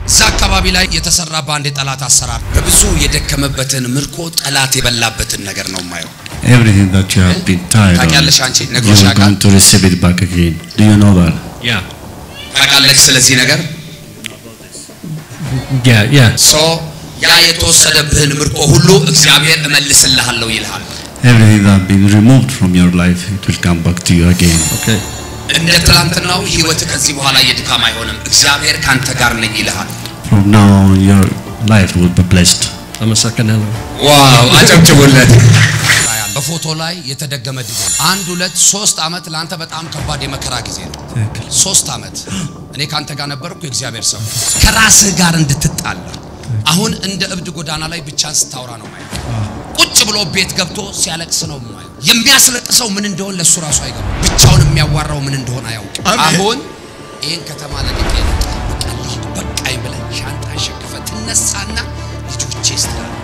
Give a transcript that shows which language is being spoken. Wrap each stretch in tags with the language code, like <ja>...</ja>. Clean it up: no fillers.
<am>እዛ አካባቢ ላይ የተሰራ ባንድ የጠላት አሰራር በብዙ የደከመበትን ምርኮ ጠላት የበላበትን ነገር ነው ማየው</am> <en>everything that you have been tired</en> <am>ታቃለሽ አንቺ ነገሽ</am> <en>አቃ going to receive it back again do you know that yeah</en> <am>ታቃለሽ ስለዚህ ነገር</am> <en>yeah yeah</en> <am>so ያ የተወሰደብህን ምርኮ ሁሉ እግዚአብሔር እመልስልሃለሁ ይልሃል</am> <en>everything that been removed from your life it will come back to you again okay</en> <am>እንደ ትላንትናው ህይወት ከዚህ በኋላ የድካም አይሆንም እግዚአብሔር ካንተ ጋር ነኝ ይልሃል</am> <en>from now your life will be blessed</en> <am>አመሰግናለሁ wow አጨብጭቡለት በፎቶ ላይ የተደገመ ድግ አንድ ሁለት ሶስት አመት ላንተ በጣም ከባድ የመከራ ጊዜ ነው ትክክል ሶስት አመት እኔ ካንተ ጋር ነበርኩ እግዚአብሔር ሰው ከራስህ ጋር እንድትጣላ አሁን እንደ እብድ ጎዳና ላይ ብቻ ስታውራ ነው ማለት ቁጭ ብሎ ቤት ገብቶ ሲያለቅስ ነው ማለት የሚያስለቅሰው ምን እንደሆነ ለሱ ራሱ አይገባም ብቻውን የሚያዋራው ምን እንደሆነ አያውቅም አሁን ይሄን ከተማ ለቅቄ ነው በቃ ይብለኝ ሻንጣ ሸክፈ ተነሳና ልጆቼ ስለ</am>